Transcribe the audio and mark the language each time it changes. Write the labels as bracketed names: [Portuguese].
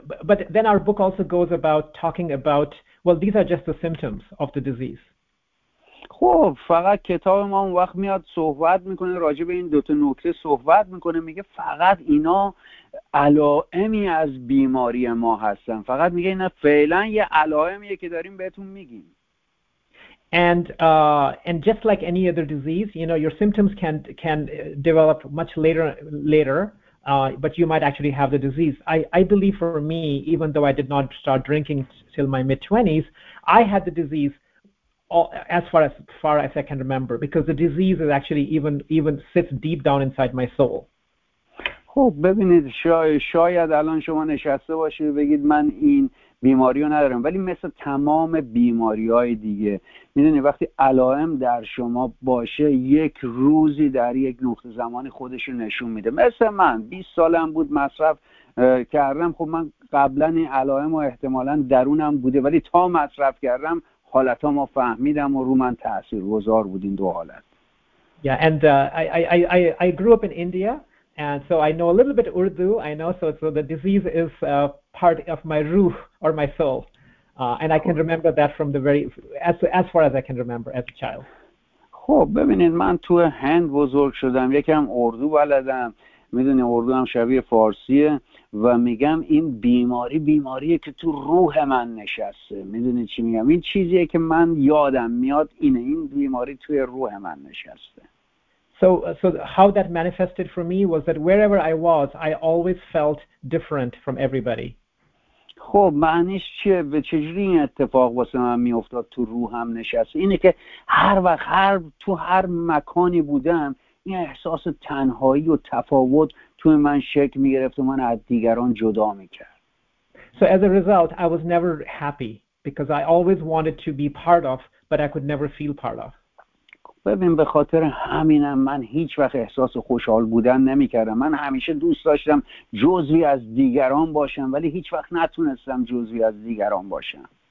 [English] But then our book also goes about talking about, well, these are just the symptoms of the disease. [Persian] خب فقط کتاب ما اون وقت میاد صحبت میکنه راجع به این دوتا نکته صحبت میکنه، میگه فقط اینا علائمی از بیماری ما هستن، فقط میگه اینا فعلا یه علائمیه که داریم بهتون میگیم. [English] And just like any other disease, you know, your symptoms can develop much later, but you might actually have the disease. I believe for me, even though I did not start drinking till my mid-20s, I had the disease as far as I can remember, because the disease is actually even sits deep down inside my soul. [Persian] خب ببینید شاید الان شما نشسته باشید بگید من این بیماری رو ندارم، ولی مثل تمام بیماری های دیگه میدونید وقتی علائم در شما باشه یک روزی در یک نقطه زمانی خودش رو نشون میده. مثل من 20 سالم بود مصرف کردم، خب من قبلا این علائم رو احتمالاً درونم بوده، ولی تا مصرف کردم حالت ها ما فهمیدم و رو من تأثیر گذار بود این دو حالت. [English] Yeah, and I grew up in India, and so I know a little bit Urdu. I know so the disease is part of my ruh or my soul, and I can remember that from the very as far as I can remember as a child. [Persian] خب ببینید من تو هند بزرگ شدم، یکم اردو بلدم، میدونی اردو هم شبیه فارسیه، و میگم این بیماریه که تو روح من نشسته. میدونی چی میگم؟ این چیزیه که من یادم میاد اینه، این بیماری توی روح من نشسته. [English] So how that manifested for me was that wherever I was, I always felt different from everybody. [Persian] خب معنیش چیه؟ به چجوری این اتفاق واسه من میافتاد تو روحم نشسته؟ اینه که هر وقت تو هر مکانی بودم این احساس تنهایی و تفاوت توی من شکل میگرفت و من از دیگران جدا میکرد. [English] So as a result, I was never happy because I always wanted to be part of, but I could never feel part of. [Persian] ببین به خاطر همینم من هیچ وقت احساس خوشحال بودن نمیکردم. من همیشه دوست داشتم جزوی از دیگران باشم، ولی هیچ وقت نتونستم جزوی از دیگران باشم.